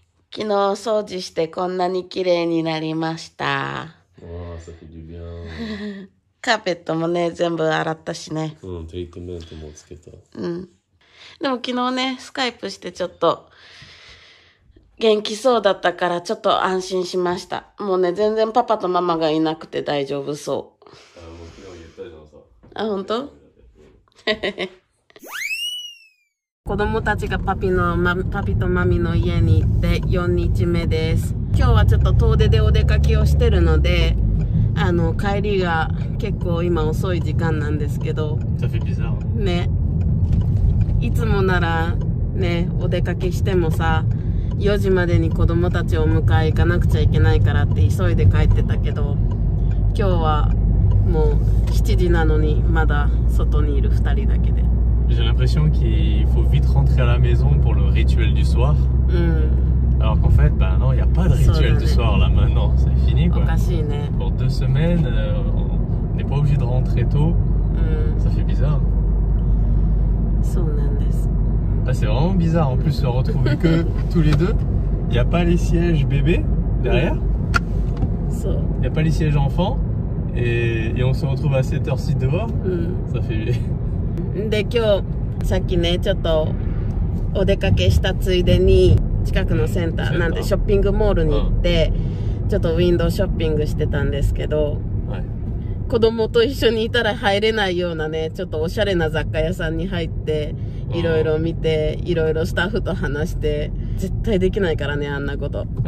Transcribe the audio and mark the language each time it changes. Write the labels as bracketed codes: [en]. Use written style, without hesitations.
[ja] 昨日掃除してこんなに綺麗になりました。 [fr] わあ、ça fait du bien. [ja] カーペットもね、全部洗ったしね。うん、トリートメントもつけた。うん。でも昨日ね、スカイプしてちょっと元気そうだったからちょっと安心しました。もうね、全然パパとママがいなくて大丈夫そう。あ、昨日言ったじゃんさ。あ、ほんと？子供たちがパピとマミの家に行って4日目です。今日はちょっと遠出でお出かけをしてるので、あの帰りが結構今遅い時間なんですけど、ちょっとビザーね、いつもならね、お出かけしてもさ4時までに子供たちを迎え行かなくちゃいけないからって急いで帰ってたけど、今日はもう7時なのにまだ外にいる2人だけで。 [fr] J'ai l'impression qu'il faut vite rentrer à la maison pour le rituel du soir. Alors qu'en fait, ben non, il n'y a pas de rituel du soir là maintenant. C'est fini quoi. [ja] おかしいね。 [fr] Pour deux semaines, on n'est pas obligé de rentrer tôt. Ça fait bizarre. [ja] そうなんです。 [fr] Ah, c'est vraiment bizarre en plus se retrouver que tous les deux. Il n'y a pas les sièges bébés derrière. Il n'y a pas les sièges enfants. Et on se retrouve à 7h06 dehors. Ça fait bien. [ja] De 今日さっきねちょっとお出かけしたついでに近くのセンターなんてショッピングモールに行って、ちょっとウィンドウショッピングしてたんですけど、子供と一緒にいたら入れないようなね、ちょっとおしゃれな雑貨屋さんに入っていろいろ見て、いろいろスタッフと話して、絶対できないからね、あんなこと。